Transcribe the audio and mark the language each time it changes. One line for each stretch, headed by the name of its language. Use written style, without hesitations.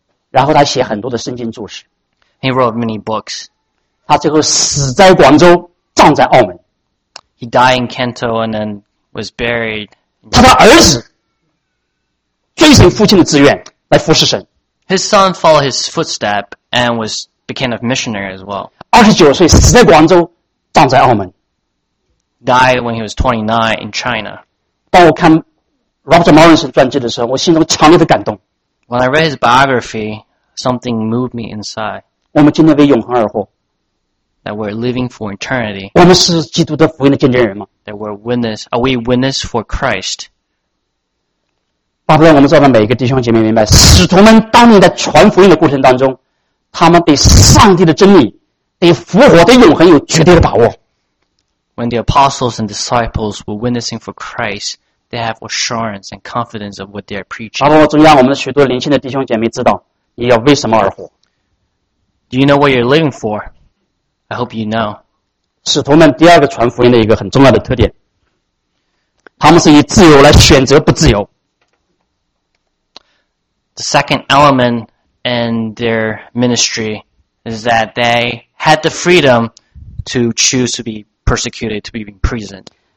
Chinese: 然后他写很多的圣经注释。
English: He wrote many books。
Chinese: 他最后死在广州，葬在澳门。
English: He died in Canto and then was buried.
Chinese: 他的儿子追随父亲的志愿来服侍神。
English: His son followed his footstep and became a missionary as well.
Chinese: 29岁死在广州，葬在澳门。
English: Died when he was 29 in China.
Chinese: 当我看 Robert Morrison 传记的时候，我心中强烈的感动。
English: When I read his biography, something moved me inside.
Chinese: 我们今天为永恒而活。
English: That we're living for eternity.
Chinese: 我们是基督的福音的见证人吗？
English: That we're witness, are we witness for Christ?
Chinese: 巴不得我们在座每一个弟兄姐妹明白，使徒们当年在传福音的过程当中，他们对上帝的真理、对复活的永恒有绝对的把握。
English: When the apostles and disciples were witnessing for Christ, they have assurance and confidence of what they are preaching.
Chinese: 巴不得中央我们的许多灵性的弟兄姐妹知道，你要为什么而活
English: ？Do you know what you're living for? I hope you know.
Chinese: 使徒们第二个传福音的一个很重要的特点，他们是以自由来选择不自由。
English: The second element in their ministry is that they had the freedom to choose to be persecuted, to be imprisoned.